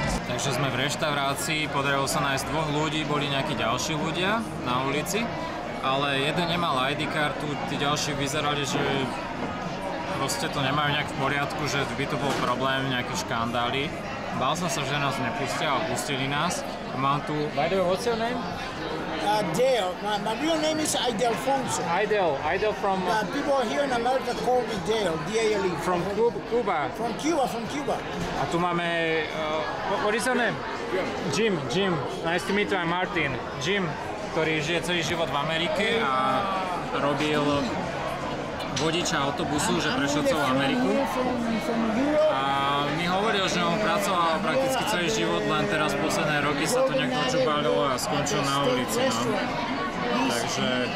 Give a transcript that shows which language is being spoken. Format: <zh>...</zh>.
<sk>Takže sme v reštaurácii, podarilo sa nájsť dvoch ľudí, boli nejakí ďalší ľudia na ulici. ale jeden nemal ID kartu, tí ďalší vyzerali, že proste to nemajú nejak v poriadku, že by to bol problém, nejaké škandály. Bál som sa, že nás nepustia, ale pustili nás. Mám tu...</sk> <en>By the way, what's your name? Dale. My real name is Idelfonso. Idel from... People here in America call me Dale, D-A-L-E. From Cuba. From Cuba.</en> <sk>A tu máme...</sk> <en>what is your name? Jim. Nice to meet you, I'm Martin.</en> <sk>Jim, ktorý žije celý život v Amerike a robil vodiča autobusu, že prešiel celú Ameriku. A mi hovoril, že on pracoval prakticky celý život, len teraz posledné roky sa to nejak odžubalilo a skončil na ulici. No. Takže...</sk>